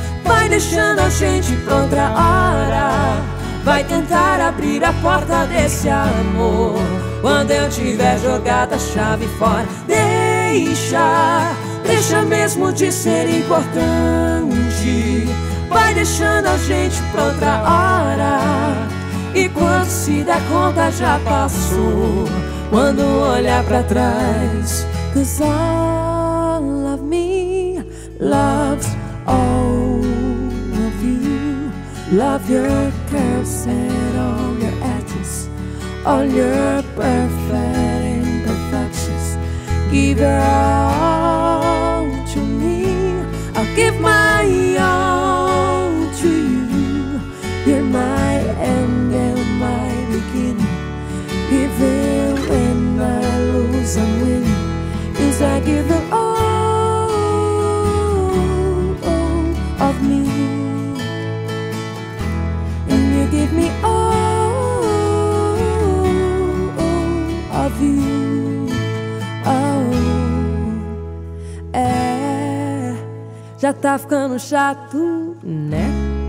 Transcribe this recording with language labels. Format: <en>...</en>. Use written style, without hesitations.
<pt>Vai deixando a gente pra outra hora. Vai tentar abrir a porta desse amor quando eu tiver jogado a chave fora. Deixa, deixa mesmo de ser importante. Vai deixando a gente pra outra hora. E quando se der conta já passou. Quando olhar pra trás,</pt> <en>cause all of me loves all of you. Love your curves and all your edges, all your perfect imperfections. Give your all to me, I'll give my all to you. You're my end and my beginning. Even when I lose, I'm winning. I give the all of me, and you give me all of you.</en> <pt>Oh, é, já tá ficando chato, né?</pt>